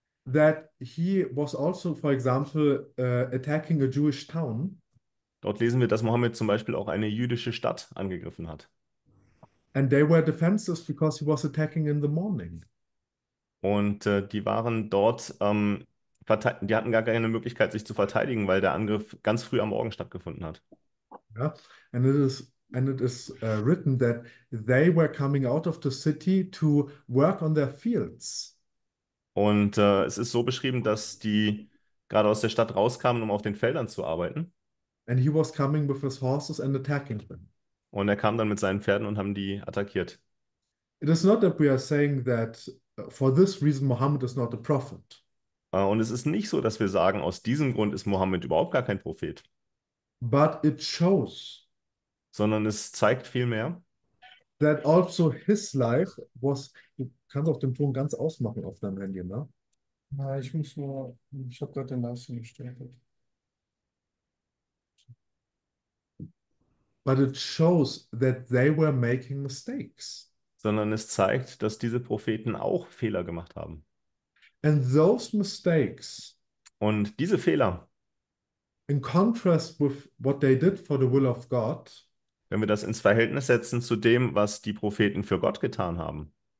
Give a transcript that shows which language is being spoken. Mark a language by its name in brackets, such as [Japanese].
[English] That he was also, for example, attacking a Jewish town. [German] Dort lesen wir, dass Mohammed zum Beispiel auch eine jüdische Stadt angegriffen hat. [English] And they were defenseless because he was attacking in the morning. [German] Und die waren dort, die hatten gar keine Möglichkeit, sich zu verteidigen, weil der Angriff ganz früh am Morgen stattgefunden hat. [English] Yeah. And it is written that they were coming out of the city to work on their fields. [German] Und es ist so beschrieben, dass die gerade aus der Stadt rauskamen, um auf den Feldern zu arbeiten. [English] And he was coming with his horses and attacking them. [German] Und er kam dann mit seinen Pferden und haben die attackiert. [English] It is not that we are saying that for this reason Muhammad is not a prophet. [German] Und es ist nicht so, dass wir sagen, aus diesem Grund ist Mohammed überhaupt gar kein Prophet. [English] But it shows [German] Sondern es zeigt vielmehr. [English] that also his life was. [German] Du kannst auf dem Ton ganz ausmachen auf deinem Handy, ne? Na, ich muss nur. Ich habe gerade den Livestream gestartet. [English] But it shows that they were making mistakes. [German] Sondern es zeigt, dass diese Propheten auch Fehler gemacht haben. [English] And those mistakes, [German] Und diese Fehler, [English] in contrast with what they did for the will of God, [German] wenn wir das ins Verhältnis setzen zu dem, was die Propheten für Gott getan haben,